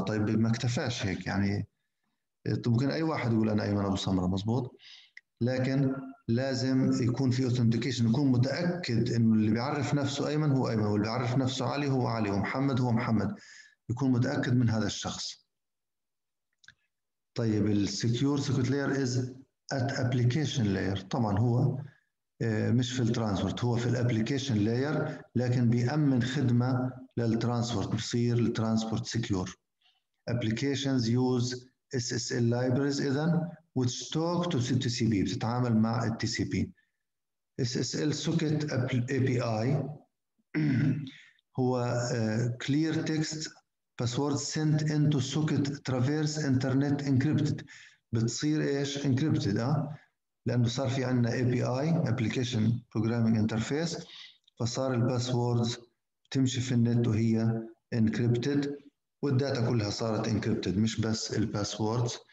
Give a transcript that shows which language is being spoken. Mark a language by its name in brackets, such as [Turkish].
[Arabic] طيب ما اكتفاش هيك يعني، ممكن أي واحد يقول أنا أيمن أبو سمرة مزبوط، لكن لازم يكون في authentication، يكون متأكد أنه اللي بيعرف نفسه أيمن هو أيمن، واللي بيعرف نفسه علي هو علي، ومحمد هو محمد، يكون متأكد من هذا الشخص. طيب الـ [English] Secure Circuit Layer is at Application Layer، [Arabic] طبعا هو مش في الـ Transport، هو في الـ Application Layer، لكن بيأمن خدمة للـ Transport، بصير الـ Transport Secure. [English] Applications use SSL Libraries إذن، which talk to TCP، [Arabic] بتتعامل مع الـ TCP. [English] SSL Socket API هو Clear Text Password sent into socket traverse internet encrypted، [Arabic] بتصير ايش؟ encrypted، لانه صار في عندنا API application programming interface، فصار الباسورد بتمشي في النت وهي encrypted، والداتا كلها صارت encrypted مش بس الباسورد.